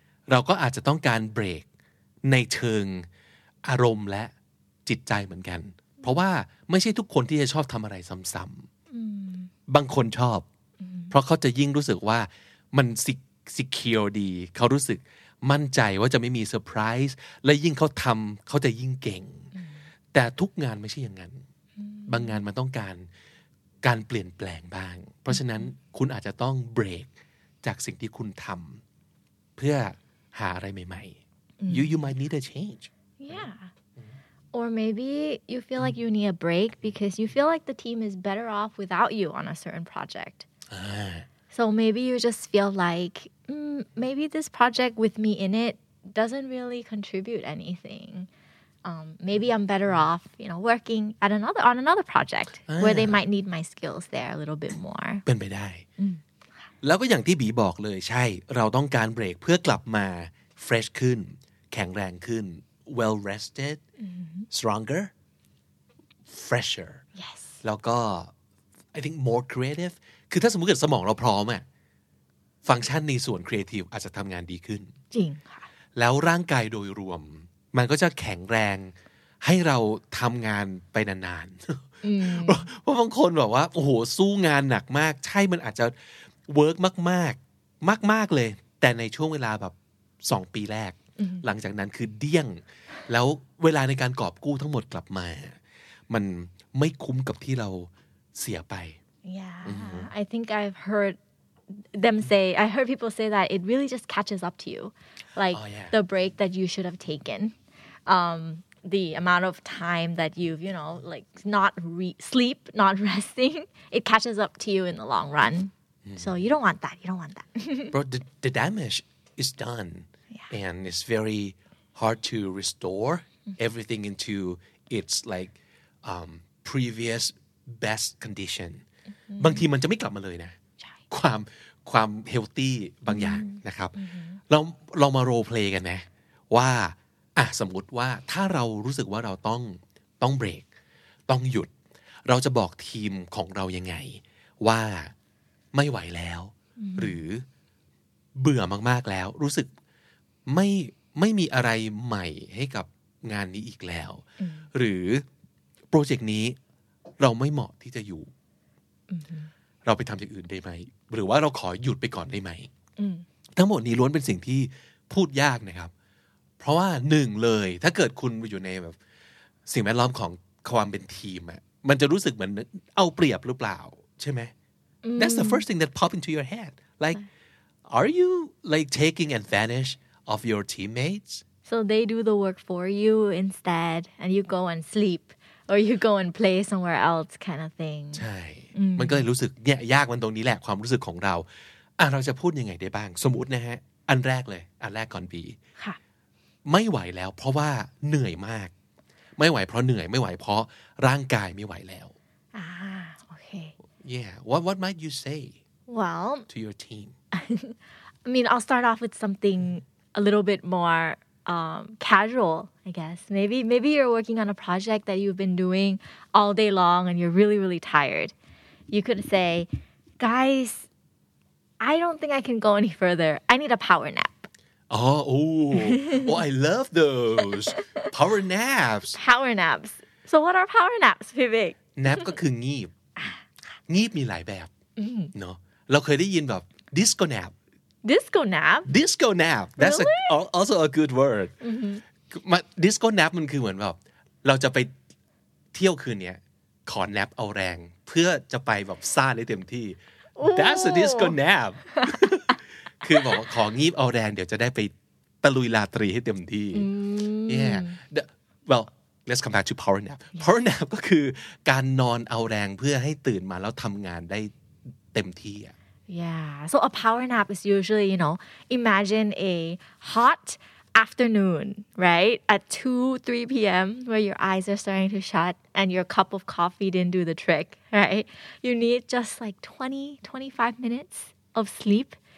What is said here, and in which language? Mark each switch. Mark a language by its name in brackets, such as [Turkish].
[Thai] เราก็อาจจะต้องการเบรกในเชิงอารมณ์และจิตใจเหมือนกันเพราะว่าไม่ใช่ทุกคนที่จะชอบทำอะไรซ้ำๆบางคนชอบเพราะเขาจะยิ่งรู้สึกว่ามันsecure ดีเขารู้สึกมั่นใจว่าจะไม่มีเซอร์ไพรส์และยิ่งเขาทำเขาจะยิ่งเก่งแต่ทุกงานไม่ใช่อย่างนั้นบางงานมันต้องการ การเปลี่ยนแปลงบ้างเพราะฉะนั้นคุณอาจจะต้องเบรกจากสิ่งที่คุณทำเพื่อหาอะไรใหม่ๆ [English] you might need a change yeah or maybe you feel like you need a break because you feel like the team is better off without you on a certain project so maybe you just feel like maybe this project with me in it doesn't really contribute anythingmaybe I'm better off, you know, working at another on another project where they might need my skills there a little bit more. [Thai] เป็นไปได้แล้วก็อย่างที่บีบอกเลยใช่เราต้องการเบรกเพื่อกลับมา fresh ขึ้นแข็งแรงขึ้น [English] well rested stronger fresher yes [Thai] แล้วก็ [English] I think more creative [Thai] คือถ้าสมมุติเกิดสมองเราพร้อมอ่ะฟังก์ชันในส่วน creative อาจจะทำงานดีขึ้น จริงค่ ะ แล้วร่างกายโดยรวมมันก็จะแข็งแรงให้เราทำงานไปนานๆเพราะบางคนบอกว่าโอ้โหสู้งานหนักมากใช่มันอาจจะเวิร์กมากๆมากๆเลยแต่ในช่วงเวลาแบบ2ปีแรกหลังจากนั้นคือเดี้ยงแล้วเวลาในการกอบกู้ทั้งหมดกลับมามันไม่คุ้มกับที่เราเสียไป [English] Yeah I think I've heard them say I heard people say that it really just catches up to you like the break that you should have takenthe amount of time that you've, you know, like not sleep, not resting, it catches up to you in the long run. So you don't want that. You don't want that. But the damage is done. Yeah. And it's very hard to restore everything into its like previous best condition. [Thai] บางทีมันจะไม่กลับมาเลยนะความ healthy บางอย่างนะครับเรามา role play กันนะว่าอ่ะสมมุติว่าถ้าเรารู้สึกว่าเราต้องเบรกต้องหยุดเราจะบอกทีมของเรายังไงว่าไม่ไหวแล้ว หรือเบื่อมากๆแล้วรู้สึกไม่มีอะไรใหม่ให้กับงานนี้อีกแล้ว หรือโปรเจกต์นี้เราไม่เหมาะที่จะอยู่ เราไปทำอย่างอื่นได้ไหมหรือว่าเราขอหยุดไปก่อนได้ไห ม ทั้งหมดนี้ล้วนเป็นสิ่งที่พูดยากนะครับเพราะว่าหนึ่งเลยถ้าเกิดคุณอยู่ในแบบสิ่งแวดล้อมของความเป็นทีมอ่ะมันจะรู้สึกเหมือนเอาเปรียบหรือเปล่าใช่ไหม [English] That's the first thing that pop into your head like are you like taking advantage of your teammates so they do the work for you instead and you go and sleep or you go and play somewhere else kind of thing [Thai] ใช่มันก็เลยรู้สึกแย่ยากมันตรงนี้แหละความรู้สึกของเราอ่ะเราจะพูดยังไงได้บ้างสมมตินะฮะอันแรกเลยอันแรกก่อนบี ค่ะ ไม่ไหวแล้วเพราะว่าเหนื่อยมากไม่ไหวเพราะเหนื่อยไม่ไหวเพราะร่างกายไม่ไหวแล้ว โอเค [English] Yeah what might you say Well to your team I mean I'll start off with something a little bit more casual I guess maybe you're working on a project that you've been doing all day long and you're really really tired you could say guys I don't think I can go any further I need a power nap Oh, I love those power naps. Power naps. So what are power naps, Vivek? [Thai] Nap ก็คืองีบงีบมีหลายแบบเนาะเราเคยได้ยินแบบ disco nap. [English] Disco nap? Disco nap. That's really? Also a good word. Mm-hmm. [Thai] Disco nap มันคือเหมือนแบบเราจะไปเที่ยวคืนเนี้ยขอ nap เอาแรงเพื่อจะไปแบบซ่าได้เต็มที่ [English] That's a disco nap. [Thai] คือบอกว่าของีบเอาแรงเดี๋ยวจะได้ไปตะลุยราตรีให้เต็มที่ [English] Yeah Well let's come back to power nap [Thai] power nap ก็คือการนอนเอาแรงเพื่อให้ตื่นมาแล้วทำงานได้เต็มที่ [English] Yeah so a power nap is usually you know imagine a hot afternoon right at 2-3 p.m. where your eyes are starting to shut and your cup of coffee didn't do the trick right you need just like 20-25 minutes of sleep